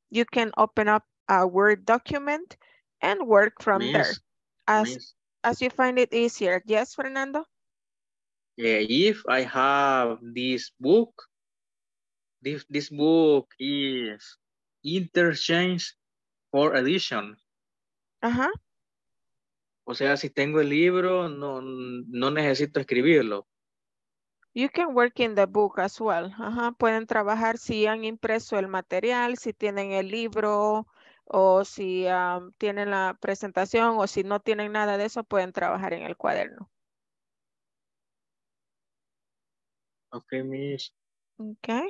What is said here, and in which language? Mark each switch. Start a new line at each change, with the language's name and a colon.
English: You can open up a Word document and work from there as you find it easier. Yes, Fernando? If I have this book, this book is interchange or edition. Uh-huh.
Spanish: O sea, si tengo el libro, no necesito escribirlo.
English: You can work in the book as well. Ajá.
Spanish: Pueden trabajar si han impreso el material, si tienen el libro, o si tienen la presentación, o si no tienen nada de eso, pueden trabajar en el cuaderno.
English: Ok, Miss. Ok.